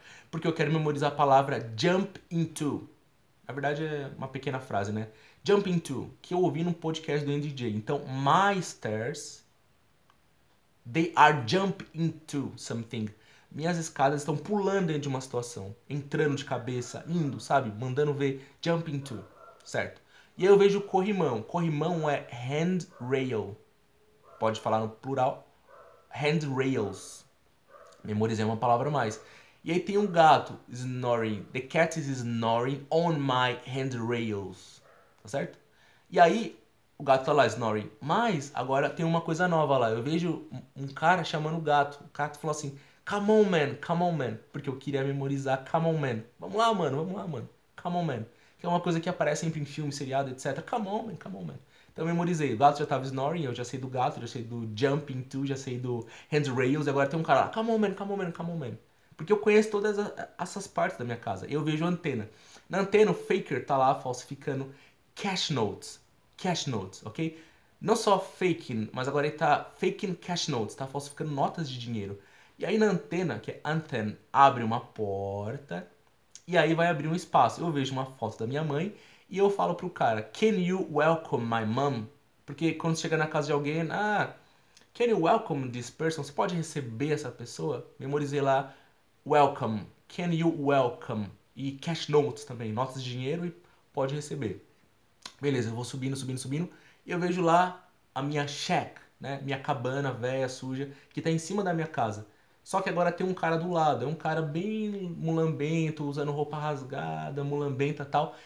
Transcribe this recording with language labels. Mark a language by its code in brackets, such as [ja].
[pt] Porque eu quero memorizar a palavra jump into. Na verdade, é uma pequena frase, né? Jump into, que eu ouvi num podcast do NDJ. [en] Então, my stairs, they are jump into something. [pt] Minhas escadas estão pulando dentro de uma situação. Entrando de cabeça, indo, sabe? Mandando ver. Jump into, certo? E aí eu vejo o corrimão. Corrimão é handrail. Pode falar no plural. [en] Handrails. [pt] Memorizei uma palavra mais. E aí tem um gato snoring. [en] The cat is snoring on my handrails. [pt] Tá certo? E aí o gato tá lá snoring. Mas agora tem uma coisa nova lá. Eu vejo um cara chamando o gato. O gato falou assim: [en] come on, man, come on, man. [pt] Porque eu queria memorizar [en] come on, man. [pt] Vamos lá, mano, come on, man. Que é uma coisa que aparece sempre em filme, seriado, etc. [en] Come on, man, come on, man. [pt] Então eu memorizei. O gato já tava snoring, eu já sei do gato, já sei do jumping to, já sei do handrails. E agora tem um cara lá: [en] come on, man, come on, man, [pt] come on, man. Porque eu conheço todas essas partes da minha casa. Eu vejo a antena. Na antena, o faker tá lá falsificando cash notes. Cash notes, ok? Não só faking, mas agora ele tá [en] faking cash notes, [pt] tá falsificando notas de dinheiro. E aí na antena, que é anten, abre uma porta e aí vai abrir um espaço. Eu vejo uma foto da minha mãe e eu falo pro cara: [en] Can you welcome my mom? [pt] Porque quando chega na casa de alguém, ah, [en] can you welcome this person? [pt] Você pode receber essa pessoa? Memorizei lá. [en] Welcome, can you welcome? [pt] E cash notes também, notas de dinheiro e pode receber. Beleza, eu vou subindo, subindo, subindo. E eu vejo lá a minha shack, né? Minha cabana velha, suja, que tá em cima da minha casa. Só que agora tem um cara do lado, é um cara bem mulambento, usando roupa rasgada, mulambenta e tal.